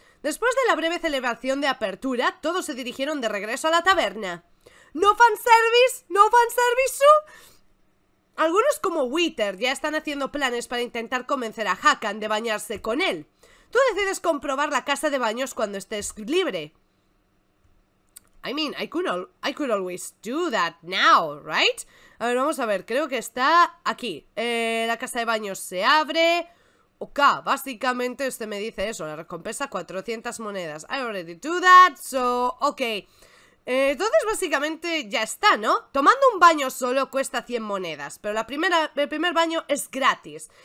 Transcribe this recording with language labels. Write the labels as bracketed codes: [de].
[es] Después de la breve celebración de apertura, todos se dirigieron de regreso a la taberna. ¡No fanservice! ¡No fanservice, su! Algunos como Wither ya están haciendo planes para intentar convencer a Hakan de bañarse con él. Tú decides comprobar la casa de baños cuando estés libre. [en] I mean, I could always do that now, right? [es] A ver, vamos a ver, creo que está aquí. La casa de baños se abre. Ok, básicamente este me dice eso, la recompensa 400 monedas. [en] I already do that, so, ok. [es] Entonces básicamente ya está, ¿no? Tomando un baño solo cuesta 100 monedas, pero el primer baño es gratis.